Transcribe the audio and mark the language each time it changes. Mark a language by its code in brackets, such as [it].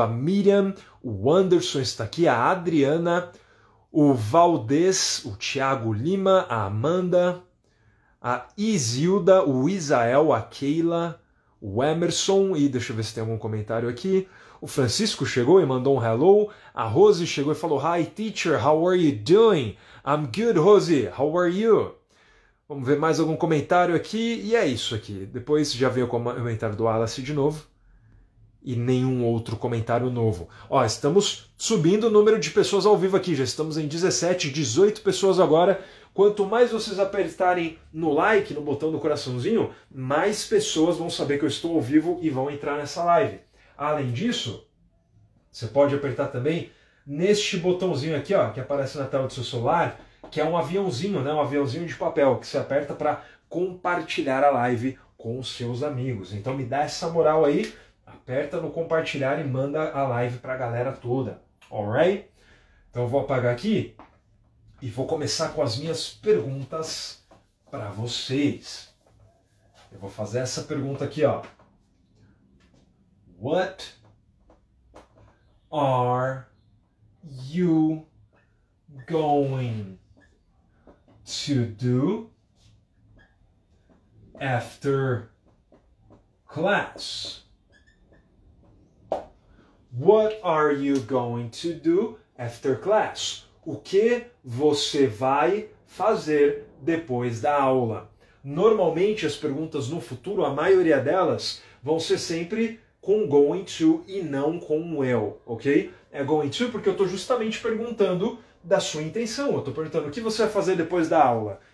[pt] A Miriam, o Anderson está aqui, a Adriana, o Valdez, o Thiago Lima, a Amanda, a Isilda, o Isael, a Keila, o Emerson, e deixa eu ver se tem algum comentário aqui. O Francisco chegou e mandou um hello. A Rose chegou e falou, [en] hi, teacher, how are you doing? I'm good, Rose, how are you? [pt] Vamos ver mais algum comentário aqui, e é isso aqui. Depois já veio o comentário do Wallace de novo, e nenhum outro comentário novo. Ó, estamos subindo o número de pessoas ao vivo aqui, já estamos em 17, 18 pessoas agora. Quanto mais vocês apertarem no like, no botão do coraçãozinho, mais pessoas vão saber que eu estou ao vivo e vão entrar nessa live. Além disso, você pode apertar também neste botãozinho aqui, ó, que aparece na tela do seu celular, que é um aviãozinho, né? Um aviãozinho de papel que você aperta para compartilhar a live com os seus amigos. Então me dá essa moral aí, aperta no compartilhar e manda a live para a galera toda. Alright? Então eu vou apagar aqui e vou começar com as minhas perguntas para vocês. Eu vou fazer essa pergunta aqui, ó. [en] What are you going to do after class? What are you going to do after class? [pt] O que você vai fazer depois da aula? Normalmente, as perguntas no futuro, a maioria delas, vão ser sempre com going to e não com will, ok? É going to porque eu estou justamente perguntando da sua intenção. Eu estou perguntando o que você vai fazer depois da aula.